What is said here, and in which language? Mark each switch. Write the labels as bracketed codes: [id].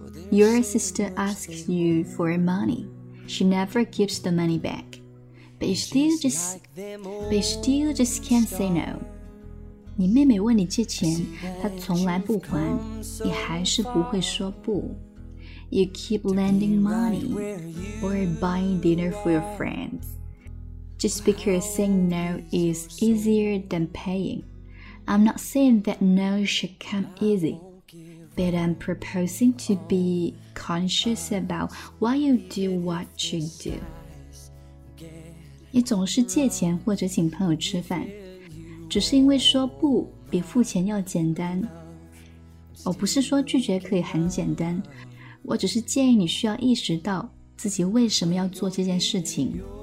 [en] Your sister asks you for money， She never gives the money back， But you still just can't say no。 [zh] 你妹妹问你借钱，她从来不还，你还是不会说不。 [en] You keep lending money or buying dinner for your friends just because saying no is easier than paying. I'm not saying that no should come easy, but I'm proposing to be conscious about why you do what you do. [zh] 你总是借钱或者请朋友吃饭，只是因为说不比付钱要简单。我不是说拒绝可以很简单，我只是建议你需要意识到自己为什么要做这件事情。